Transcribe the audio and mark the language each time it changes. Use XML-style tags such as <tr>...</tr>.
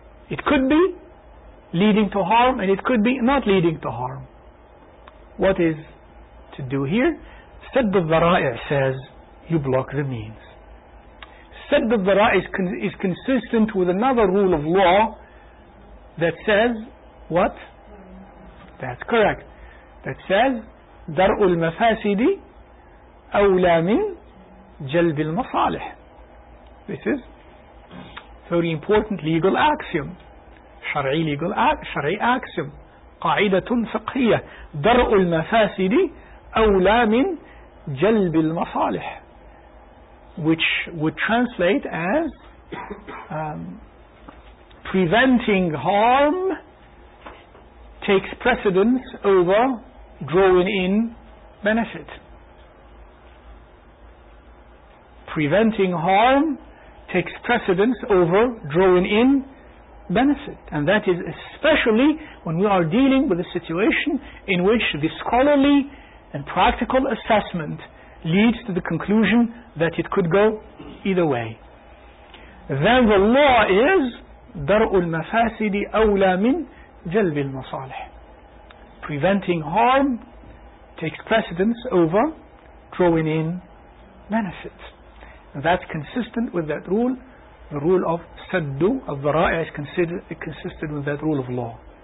<en>It could be leading to harm and it could be not leading to harm. What is to do here? Sadd al-dhari'ah says you block the means. Sadd al-dhari'ah is consistent with another rule of law that says what? That's correct. That says,</en> <ar>دَرْءُ الْمَفَاسِدِ أَوْلَى مِنْ جَلْبِ الْمَصَالِحِ.</ar> <en>This is very important legal axiom. شرعي legal شرعي axiom.</en> <ar>قاعدة فقهية. دَرْءُ الْمَفَاسِدِ أَوْلَى مِنْ جَلْبِ الْمَصَالِحِ.</ar> <en>Which would translate as preventing harm takes precedence over drawing in benefit. Preventing harm takes precedence over drawing in benefit. And that is especially when we are dealing with a situation in which the scholarly and practical assessment leads to the conclusion that it could go either way. Then the law is</en> <ar>دَرْءُ الْمَفَاسِدِ أَوْلَى مِنْ جَلْبِ الْمَصَالِحِ.</ar> <en>Preventing harm takes precedence over drawing in benefits. That's consistent with that rule. The rule of saddu al-dhara'ah is consistent with that rule of law.</en>